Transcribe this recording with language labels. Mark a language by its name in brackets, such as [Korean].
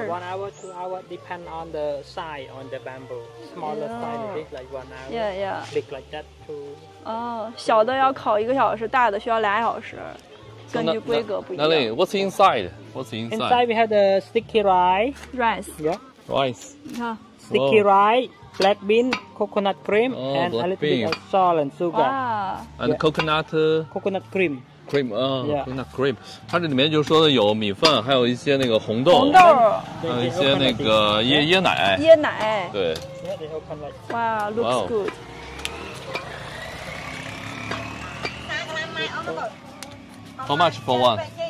[English] Yeah, 1 hour, 2 hour, depend on the size on the bamboo. Smaller size, big like 1 hour. Yeah, yeah. Big like that too. [Chinese] 哦，小的要烤一个小时，大的需要俩小时，根据规格不一样。那里 [English] What's inside? Inside we have the sticky rice. Rice. Yeah. Rice. [Chinese] 你看 [English] sticky rice. Black bean, coconut cream, and a little bit of salt and sugar. And coconut. Coconut cream. Cream, coconut cream. [Chinese] 它这里面就说的有米饭，还有一些那个红豆，红豆，还有一些那个椰奶。椰奶。对。 [English] Yeah, they open like. Wow, looks good. [Chinese] 来 [English] How much for one?